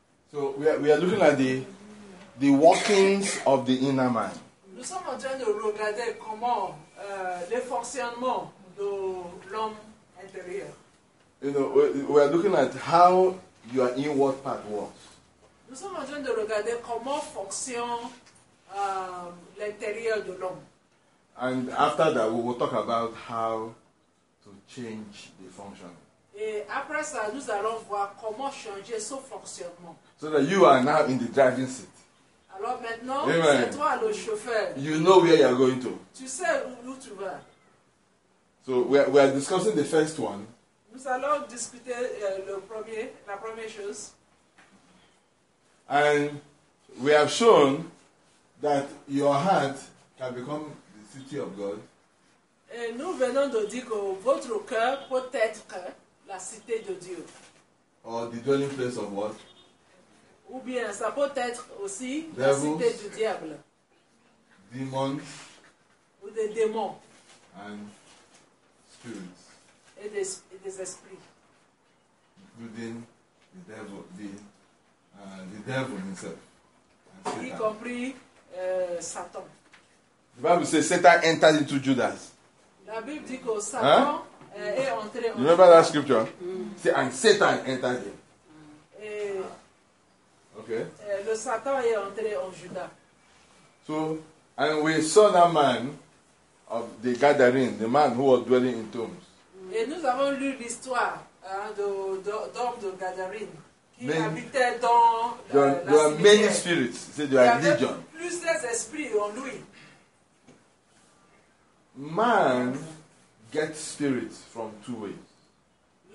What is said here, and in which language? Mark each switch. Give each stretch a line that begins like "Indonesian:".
English: So we are looking at the workings of the inner man.
French: Nous sommes en train de regarder comment le fonctionnement de l'homme intérieur.
English: You know, we are looking at how your inward part works.
French: Nous sommes en train de regarder comment fonctionne l'intérieur de l'homme.
English: And after that, we will talk about how to change the function.
French: Et après ça, nous allons voir comment changer son fonctionnement.
English: So that you are now in the driving seat.
French: Alors maintenant, Amen. C'est toi le chauffeur.
English: You know where you are going to.
French: Tu sais où tu vas.
English: So we are discussing the first one.
French: Nous allons discuter la première chose.
English: And we have shown that your heart can become the city of God.
French: Et nous venons de dire que votre cœur peut être la cité de Dieu.
English: Or the dwelling place of what?
French: Ou bien ça peut être aussi
English: devils,
French: la cité du diable.
English: Demons.
French: Ou des démons.
English: And spirits.
French: Et des esprits.
English: Including the devil, the devil himself.
French: Y compris Satan.
English: The Bible says Satan entered into Judas.
French: La Bible dit que Satan est entré en
English: Judas. Remember that scripture? Say, and Satan entered him.
French: Le Satan est entré en Judas.
English: So, and we saw that man of the gathering, the man who was dwelling in tombs.
French: Et nous avons lu l'histoire d'homme de gathering qui habitait dans
English: There are many spirits. Say, there are legion.
French: Plusieurs esprits en lui.
English: Man gets spirits from two ways.